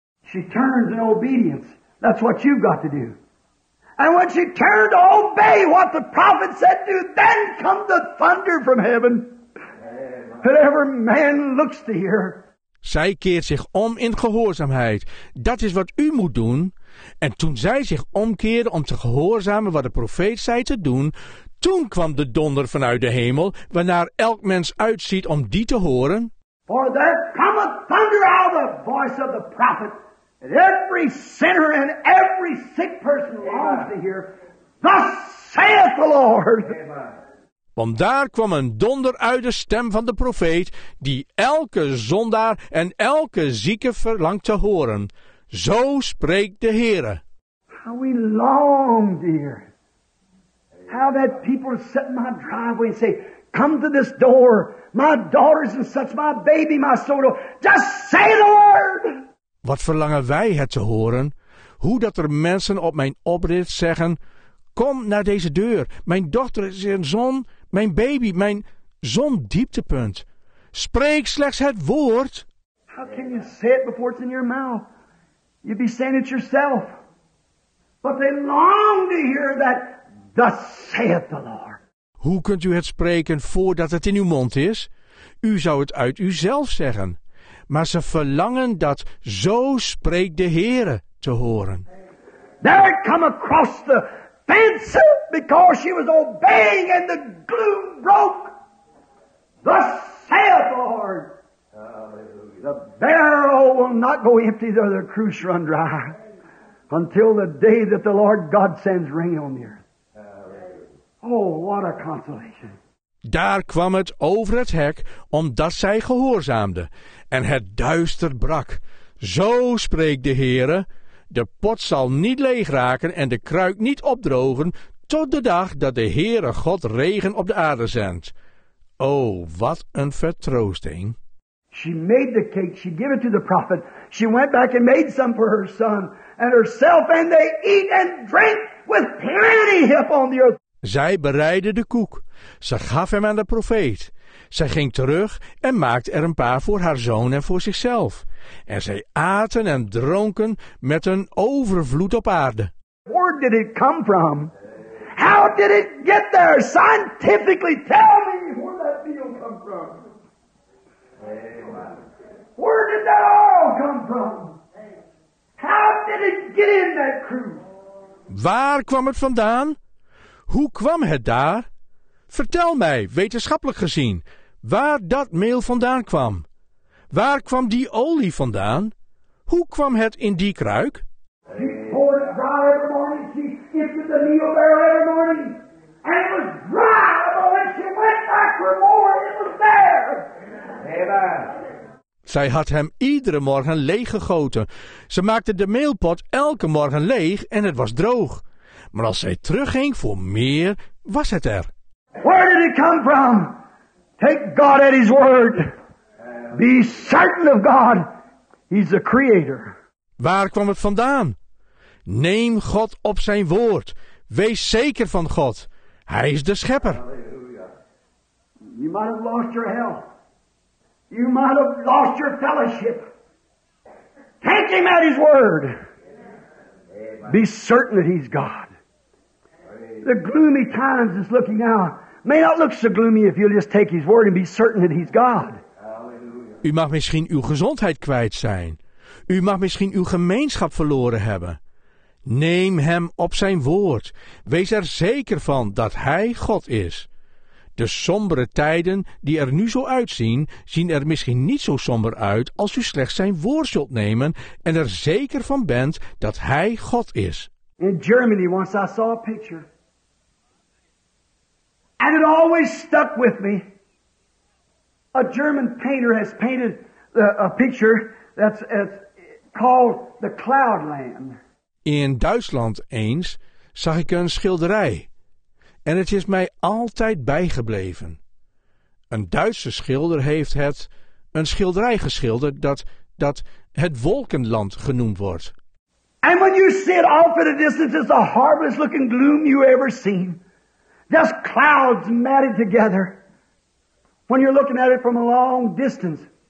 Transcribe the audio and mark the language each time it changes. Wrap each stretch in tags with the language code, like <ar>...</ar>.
<en>She turns in obedience. That's what you've got to do. And when she turned to obey what the prophet said to, then come the thunder from heaven. Whatever man looks to hear.</en> <nl>Zij keert zich om in gehoorzaamheid. Dat is wat u moet doen. En toen zij zich omkeerde om te gehoorzamen wat de profeet zei te doen, toen kwam de donder vanuit de hemel, waarnaar elk mens uitziet om die te horen.</nl> <en>For there cometh thunder out of the voice of the prophet, and every sinner and every sick person longs to hear, thus saith the Lord. Amen.</en> <nl>Want daar kwam een donder uit de stem van de profeet, die elke zondaar en elke zieke verlangt te horen. Zo spreekt de Heere.</nl> <en>How we long, dear. How that people sit in my driveway and say, come to this door, my daughters and such, my baby, my soul, just say the word.</en> <nl>Wat verlangen wij het te horen? Hoe dat er mensen op mijn oprit zeggen, kom naar deze deur, mijn dochter is in zon. Mijn baby, mijn zon dieptepunt. Spreek slechts het woord.</nl> <en>How can you say it before it's in your mouth? You'd be saying it yourself. But they long to hear that, thus saith the Lord.</en> <nl>Hoe kunt u het spreken voordat het in uw mond is? U zou het uit uzelf zeggen. Maar ze verlangen dat zo spreekt de Heere te horen.</nl> <en>There it come across the fence, because she was obeying and the gloom broke. Thus saith the Lord. Hallelujah. The barrel will not go empty, though the cruse run dry, until the day that the Lord God sends rain on the earth. Oh, what a consolation.</en> <nl>Daar kwam het over het hek, omdat zij gehoorzaamde. En het duister brak. Zo spreekt de Heere. De pot zal niet leeg raken en de kruik niet opdrogen tot de dag dat de Heere God regen op de aarde zendt. O, wat een vertroosting.</nl> <en>She made the cake, she gave it to the prophet. She went back and made some for her son and herself, and they eat and drink with plenty upon the earth.</en> <nl>Zij bereidde de koek. Ze gaf hem aan de profeet. Zij ging terug en maakte er een paar voor haar zoon en voor zichzelf. En zij aten en dronken met een overvloed op aarde.</nl> <en>Where did it come from? How did it get there? Scientifically, tell me where that meal come from. Amen. Where did that oil come from? How did it get in that crude?</en> <nl>Waar kwam het vandaan? Hoe kwam het daar? Vertel mij, wetenschappelijk gezien, waar dat meel vandaan kwam. Waar kwam die olie vandaan? Hoe kwam het in die kruik?</nl> <en>She poured it dry every morning. She skipped it the meal barrel every morning. And it was dry. But when she went back for more, it was there. Amen.</en> <nl>Zij had hem iedere morgen leeggegoten. Ze maakte de meelpot elke morgen leeg en het was droog. Maar als zij terugging voor meer, was het er.</nl> <en>Where did it come from? Take God at his word. Be certain of God. He's the creator.</en> <nl>Waar kwam het vandaan? Neem God op zijn woord. Wees zeker van God. Hij is de schepper. Halleluja.</nl> <en>You might have lost your health. You might have lost your fellowship. Take him at his word. Amen. Be certain that he's God. Amen. The gloomy times is looking now may not look so gloomy if you'll just take his word and be certain that he's God.</en> <nl>Halleluja. U mag misschien uw gezondheid kwijt zijn. U mag misschien uw gemeenschap verloren hebben. Neem hem op zijn woord. Wees er zeker van dat hij God is. De sombere tijden die er nu zo uitzien, zien er misschien niet zo somber uit als u slechts zijn woord zult nemen en er zeker van bent dat hij God is.</nl> <en>In Germany, once I saw a picture. And it always stuck with me. A German painter has painted a picture that's called the Cloudland.</en> <nl>In Duitsland eens zag ik een schilderij. En het is mij altijd bijgebleven. Een Duitse schilder heeft het een schilderij geschilderd dat het wolkenland genoemd wordt.</nl> <en>And when you see it off in the distance, it's the harvest looking gloom you ever seen. Just clouds matted together. When you're looking at it from a long distance.</en>